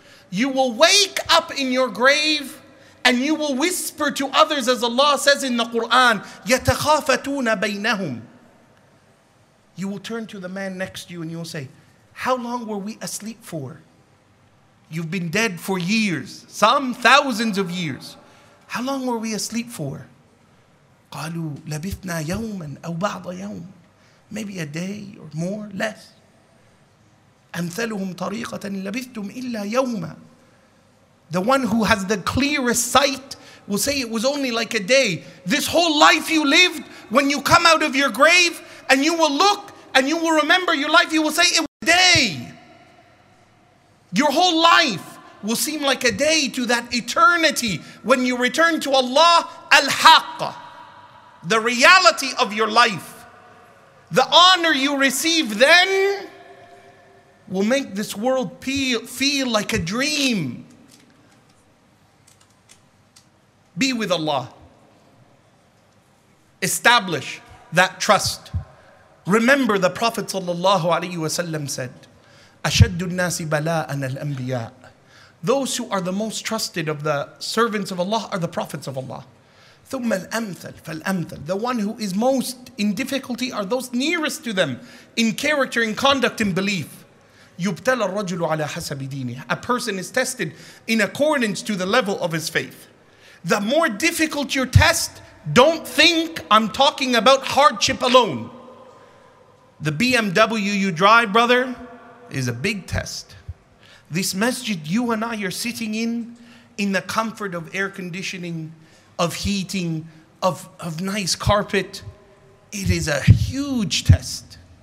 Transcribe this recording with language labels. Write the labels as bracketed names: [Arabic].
[English] You will wake up in your grave, and you will whisper to others, as Allah says in the Quran, [Arabic] يَتَخَافَتُونَ بَيْنَهُمْ. [English] You will turn to the man next to you and you will say, how long were we asleep for? You've been dead for years, some thousands of years. How long were we asleep for? [Arabic] قالوا لبثنا يوما أو بعض يوم. [English] Maybe a day or more, less. [Arabic] أمثلهم طريقة لبثتم إلا يوما. [English] The one who has the clearest sight will say it was only like a day. This whole life you lived, when you come out of your grave and you will look and you will remember your life, you will say it was a day. Your whole life will seem like a day to that eternity when you return to Allah al-Haqq. The reality of your life, the honor you receive then will make this world feel like a dream. Be with Allah. Establish that trust. Remember the Prophet sallallahu alayhi wa sallam said, [Arabic] أشد الناس بلاء الأنبياء. [English] Those who are the most trusted of the servants of Allah are the prophets of Allah. [Arabic] ثم الأمثل فالأمثل. [English] The one who is most in difficulty are those nearest to them in character, in conduct, in belief. [Arabic] يبتلى الرجل على حسب دينه. [English] A person is tested in accordance to the level of his faith. The more difficult your test, don't think I'm talking about hardship alone. The BMW you drive, brother, is a big test. This masjid you and I are sitting in the comfort of air conditioning, of heating, of nice carpet, it is a huge test.